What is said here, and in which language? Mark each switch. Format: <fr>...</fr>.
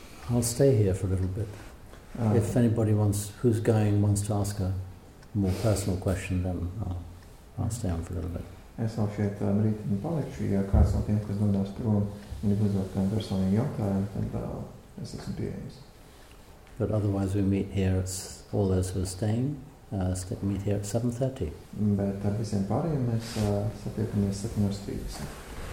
<en>I'll stay here for a little bit. If anybody who's going wants to ask a more personal question, then I'll stay on for a little bit.</en> <lv>Es vēl šeit brīdī palikšu, ja kāds no tiem, kas dodās prom, ir uzdot kādu personīgu jautājumu, tad es esmu pieejams.</lv> <en>But otherwise we meet here, it's all those who are staying, meet here at 7:30.</en> <lv>Bet visiem pārējiem mēs satiekamies 7:30.</lv>